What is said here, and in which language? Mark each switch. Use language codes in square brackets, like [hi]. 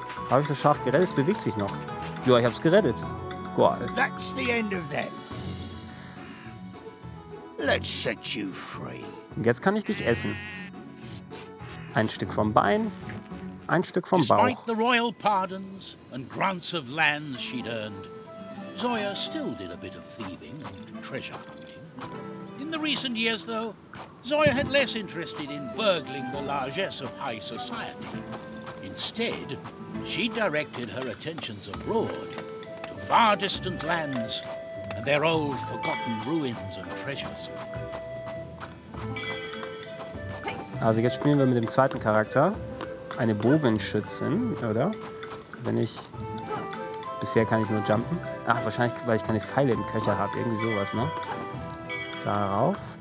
[de] Habe ich das Schaf gerettet? Es bewegt sich noch. Ja, ich habe es gerettet. Goal. [en] That's the end of that. Let's set you free. [de] Und jetzt kann ich dich essen. Ein Stück vom Bein, ein Stück vom Bauch. [en] Despite the royal pardons and grants of lands she'd earned, Zoya still did a bit of thieving and treasure hunting. In the recent years, though, Zoya had less interested in burgling the largesse of high society. Instead, she directed her attentions abroad, to far distant lands and their old forgotten ruins and treasures. [de] Also jetzt spielen wir mit dem zweiten Charakter, eine Bogenschützin, oder? Wenn ich... Bisher kann ich nur jumpen. Ach, wahrscheinlich, weil ich keine Pfeile im Köcher habe. Irgendwie sowas, ne? Darauf.